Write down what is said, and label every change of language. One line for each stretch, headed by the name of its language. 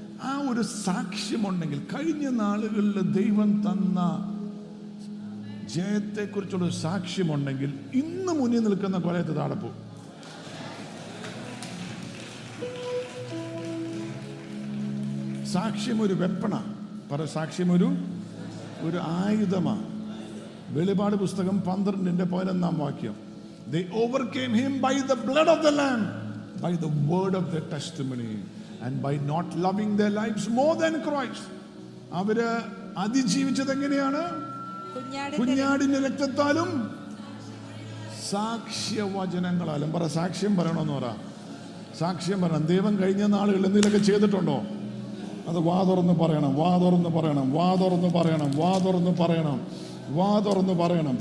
Malayalam: ആ ഒരു സാക്ഷ്യമുണ്ടെങ്കിൽ കഴിഞ്ഞ നാളുകളിൽ ദൈവം തന്ന ജയത്തെ കുറിച്ചുള്ള ഒരു സാക്ഷ്യമുണ്ടെങ്കിൽ ഇന്ന് മുന്നിൽ നിൽക്കുന്ന കൊലയത്തെ താടപ്പു. സാക്ഷ്യമൊരു വെപ്പണ പറ, സാക്ഷ്യമൊരു ഒരു ആയുധമാ. വെളിപാട് പുസ്തകം 12:11 വാക്യം,
English: They overcame him by the blood of the lamb, by the word of their testimony, and by not loving their lives more than Christ.
Malayalam: അവര് അതിജീവിച്ചത് എങ്ങനെയാണ്? കുഞ്ഞാടിന്റെ രക്തത്താലും സാക്ഷ്യവചനങ്ങളാലും. പറ, സാക്ഷ്യം പറയണമെന്ന് പറ, സാക്ഷ്യം പറയണം. ദൈവം കഴിഞ്ഞ നാളുകളിൽ എന്തെങ്കിലുമൊക്കെ ചെയ്തിട്ടുണ്ടോ? അത് വാതുറന്ന് പറയണം, വാതുറന്ന് പറയണം, വാതുറന്ന് പറയണം, വാതുറന്ന് പറയണം, വാതുറന്ന് പറയണം.